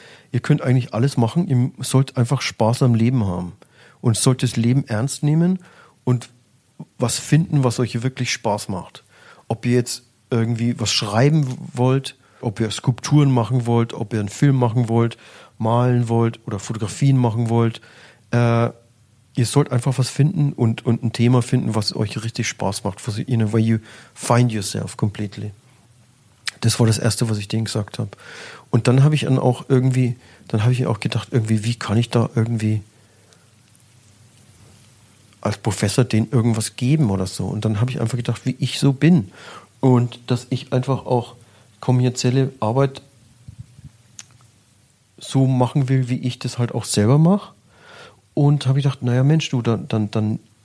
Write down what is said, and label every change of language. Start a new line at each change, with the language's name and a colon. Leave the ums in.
German: Ihr könnt eigentlich alles machen, ihr sollt einfach Spaß am Leben haben und sollt das Leben ernst nehmen und was finden, was euch wirklich Spaß macht. Ob ihr jetzt irgendwie was schreiben wollt, ob ihr Skulpturen machen wollt, ob ihr einen Film machen wollt, malen wollt oder Fotografien machen wollt. Äh, ihr sollt einfach was finden und, und ein Thema finden, was euch richtig Spaß macht.
English: Was, in a way you find yourself completely.
German: Das war das Erste, was ich denen gesagt habe. Und dann habe ich dann auch irgendwie, dann habe ich auch gedacht, irgendwie, wie kann ich da irgendwie als Professor denen irgendwas geben oder so. Und dann habe ich einfach gedacht, wie ich so bin. Und dass ich einfach auch kommerzielle Arbeit so machen will, wie ich das halt auch selber mache. Und habe ich gedacht, naja Mensch, du, dann, dann, dann